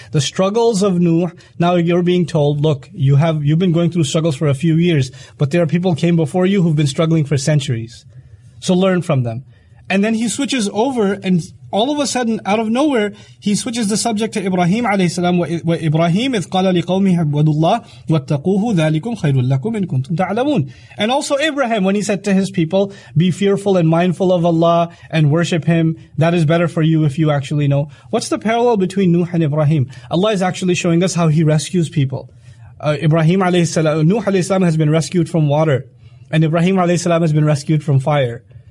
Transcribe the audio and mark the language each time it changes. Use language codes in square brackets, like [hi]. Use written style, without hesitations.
[en] The struggles of Nuh. Now you're being told, look, you've been going through struggles for a few years, but there are people came before you who've been struggling for centuries. So learn from them. And then he switches over, and all of a sudden, out of nowhere, he switches the subject to Ibrahim alayhi salam. [ar] Ibrahim إِذْ قَالَ لِقَوْمِهِ اعْبُدُوا اللَّهَ وَاتَّقُوهُ ذَلِكُمْ خَيْرٌ لَكُمْ إِن كُنتُمْ تَعْلَمُونَ. [en] And also Abraham, when he said to his people, be fearful and mindful of Allah and worship Him, that is better for you if you actually know. What's the parallel between Nuh and Ibrahim? Allah is actually showing us how He rescues people. Ibrahim alayhi salam, Nuh alayhi salam has been rescued from water, and Ibrahim alayhi salam has been rescued from fire.